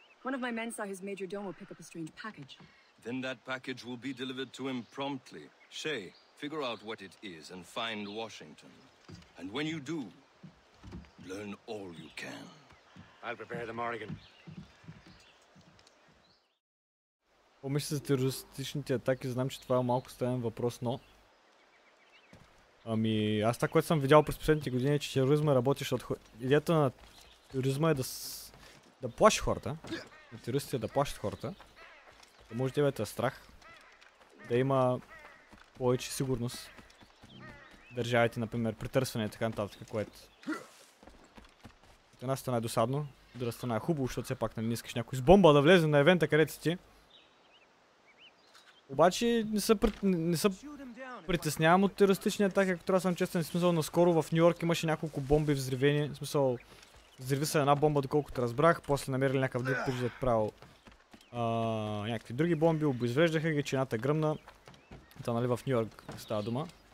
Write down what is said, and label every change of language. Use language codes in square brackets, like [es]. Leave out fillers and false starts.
[en] One of my men saw his major domo pick up a strange package. Then that package will be delivered to him promptly. Shay. Figure out what it is and find Washington. And when you do, learn all you can. I'll prepare the Morrigan. [bg] Помисля за терористичните атаки, знам, че това е малко странен въпрос, но... Ами, аз това, което съм видял през последните години е, че тероризма работи, защото идеята на тероризма е да да плаши хората. На терористите е да плашат хората. Да може да имате страх. Да има... повече сигурност. Държавите, например, претърсване и така нататък, което... Една страна е досадно, друга страна е хубаво, защото все пак не искаш някой с бомба да влезе на евента, където си ти. Обаче не се притеснявам от терористични атаки, ако трябва да съм честен. В смисъл, наскоро в Нью-Йорк имаше няколко бомби взривени. В смисъл, взриви се една бомба, доколкото разбрах, после намерили някакъв друг пич да правил някакви други бомби, обезвреждаха ги, че едната гръмна. Та, нали, в Нью-Йорк става дума.